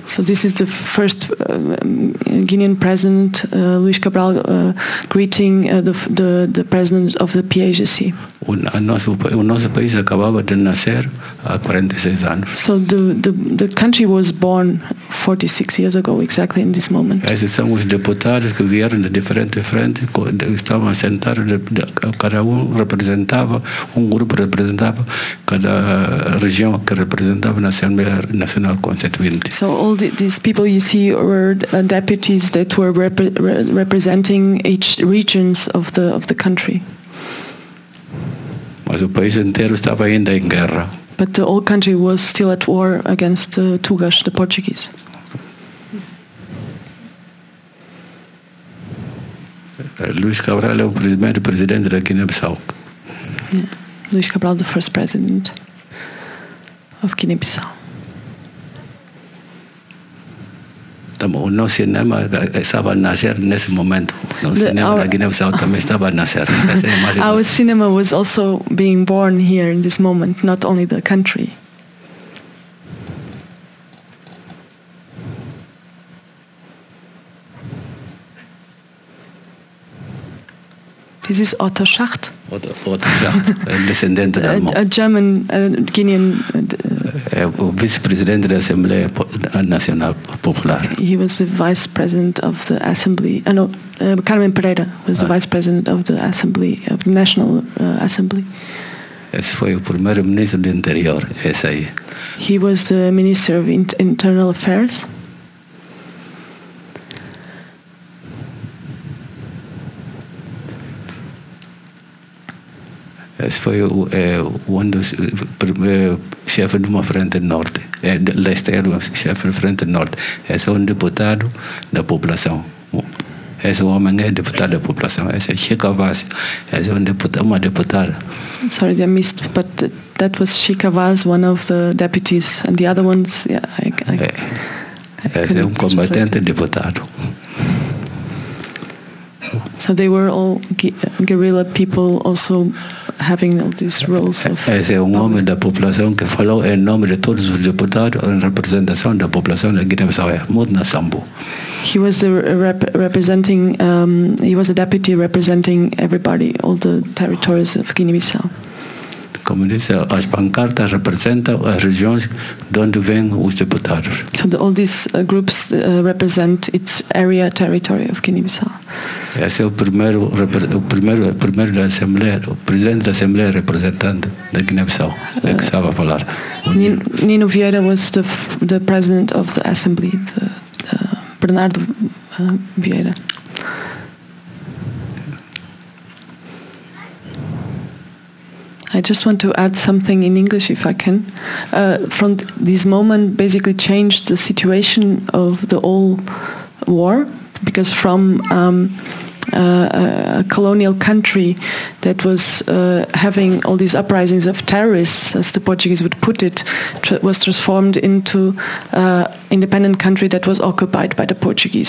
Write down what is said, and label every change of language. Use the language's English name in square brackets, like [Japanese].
[English] So this is the first Guinean president, Luís Cabral, greeting the president of the PAGC. [Portuguese] O nosso país acabava de nascer há 46 anos. [English] So the country was born 46 years ago, exactly in this moment. [Portuguese] Esses são os deputados que vieram de diferentes frentes, estavam sentados, cada um representava, um grupo representava, cada região que representava na Assembleia Nacional Constituinte. [English] So all these people you see were deputies that were representing each regions of the country. [Portuguese] Mas o país inteiro estava ainda em guerra. [English] But the whole country was still at war against the Tugas, the Portuguese. [Portuguese] Luís Cabral é o primeiro presidente da Guiné-Bissau. [English] Yeah. Luís Cabral, the first president of Guiné-Bissau. [Portuguese] O nosso cinema estava a nascer nesse momento. O cinema da Guiné-Bissau também estava a nascer. [English] Our cinema was also being born here in this moment, not only the country. This is Otto Schacht. [Portuguese] Otto Schacht, descendente da [English] mão. A German, Guinean. [Portuguese] É o vice-presidente da Assembleia Nacional Popular. [English] He was the vice president of the assembly. Carmen Pereira was the vice president of the assembly, of the National Assembly. [Portuguese] Esse foi o primeiro ministro do interior, esse aí. [English] He was the Minister of Internal Affairs. [Portuguese] Esse foi um dos chefes de uma frente norte. Leste era o chefe de frente norte. Esse é um deputado da população. Esse homem é deputado da população. Esse é Chica Vaz. Esse é uma deputada. [English] Sorry, I missed, but that was Chica Vaz, one of the deputies. And the other ones, yeah, I [Portuguese] esse é combatente deputado. [English] So they were all guerrilla people also having all these roles of... [Portuguese] Esse é homem da população que falou em nome de todos os deputados em representação da população da Guiné-Bissau, Mudna Sambu. [English] He was the representing, he was a deputy representing everybody, all the territories of Guiné-Bissau. [Portuguese] Como disse, as pancartas representam as regiões de onde vêm os deputados. [English] So all these groups represent its area, territory of Guiné-Bissau. [Portuguese] Esse é o primeiro da Assembleia, o presidente da Assembleia representante da Guiné-Bissau, é que estava a falar. [English] Nino Vieira was the president of the assembly, the Bernardo Vieira. I just want to add something in English, if I can. From this moment, basically changed the situation of the whole war, because from a colonial country that was having all these uprisings of terrorists, as the Portuguese would put it, was transformed into an independent country that was occupied by the Portuguese.